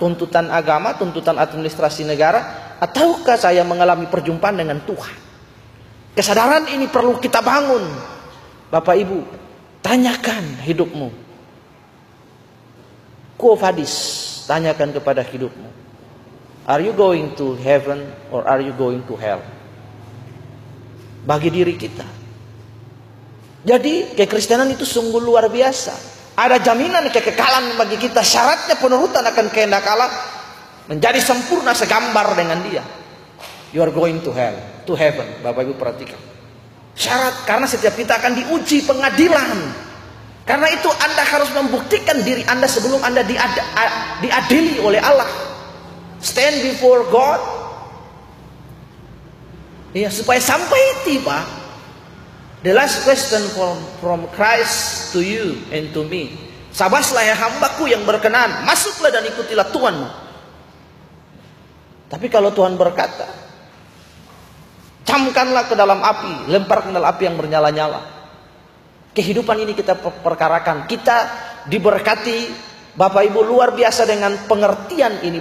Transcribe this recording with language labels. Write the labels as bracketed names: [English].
[Indonesian] Tuntutan agama, tuntutan administrasi negara, ataukah saya mengalami perjumpaan dengan Tuhan? Kesadaran ini perlu kita bangun. Bapak Ibu, tanyakan hidupmu. Quo vadis? Tanyakan kepada hidupmu. [English] Are you going to heaven or are you going to hell? [Indonesian] Bagi diri kita. Jadi kekristenan itu sungguh luar biasa. Ada jaminan kekekalan bagi kita. Syaratnya penurutan akan kehendak Allah, menjadi sempurna segambar dengan Dia. [English] You are going to hell, to heaven. [Indonesian] Bapak Ibu perhatikan. Syarat, karena setiap kita akan diuji pengadilan. Karena itu Anda harus membuktikan diri Anda sebelum Anda diadili oleh Allah. [English] Stand before God. [Indonesian] Ya, supaya sampai tiba. [English] The last question from Christ to you and to me. [Indonesian] Sabaslah ya hambaku yang berkenan. Masuklah dan ikutilah Tuhanmu. Tapi kalau Tuhan berkata, camkanlah ke dalam api. Lempar ke dalam api yang bernyala-nyala. Kehidupan ini kita perkarakan. Kita diberkati Bapak Ibu luar biasa dengan pengertian ini.